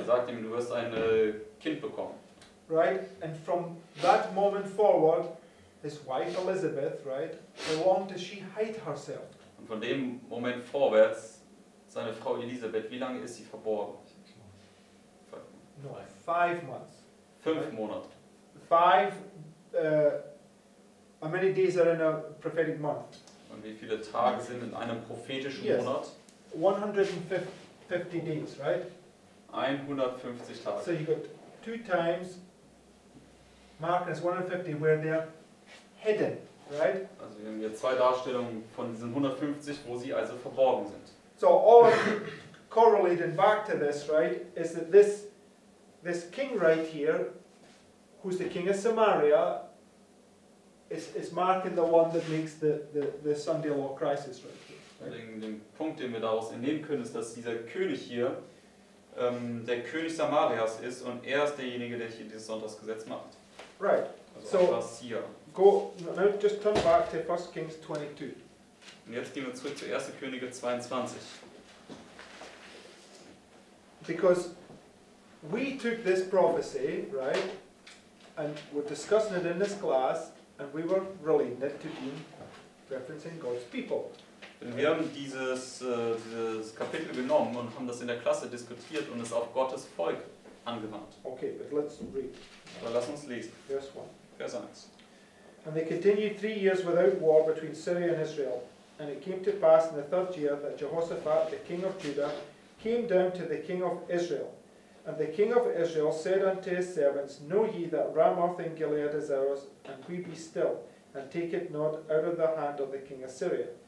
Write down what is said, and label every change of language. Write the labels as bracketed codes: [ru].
[de] Er sagt ihm, du wirst ein Kind bekommen. [en] Right? And from that moment forward, his wife Elizabeth, right? How long does she hide herself? [de] Und von dem Moment vorwärts, seine Frau Elisabeth, wie lange ist sie verborgen? [en] 5 months. [de] 5 Monate. [en] How many days are in a prophetic month? [de] Und wie viele Tage sind in einem prophetischen Monat? [en] 150 days, right? [de] 150 Tage. [en] So you got two times, Markus 150, where they're hidden, right? [de] Also wir haben hier zwei Darstellungen von diesen 150, wo sie also verborgen sind. [en] So all correlated back to this, right, is that this king right here, who's the king of Samaria, is marking the one that makes the Sunday law crisis right here. [de] Den Punkt, den wir daraus entnehmen können, ist, dass dieser König hier der König Samarias ist und ist derjenige, der hier dieses Sonntagsgesetz macht. [en] Right. [de] Also was so hier. [en] Go, now just turn back to 1 Kings 22. [de] Und jetzt gehen wir zurück zu 1. Könige 22. [en] Because we took this prophecy, right, and we're discussing it in this class, and we were really net to being referencing God's people. [de] Denn wir haben dieses Kapitel genommen und haben das in der Klasse diskutiert und es auf Gottes Volk angewandt. [en] Okay, but let's read. [de] Aber lass uns lesen. Vers 1. Vers 1. [en] And they continued 3 years without war between Syria and Israel. And it came to pass in the third year that Jehoshaphat, the king of Judah, came down to the king of Israel. And the king of Israel said unto his servants, Know ye that Ramoth in Gilead is ours, and we be still, and take it not out of the hand of the king of Syria.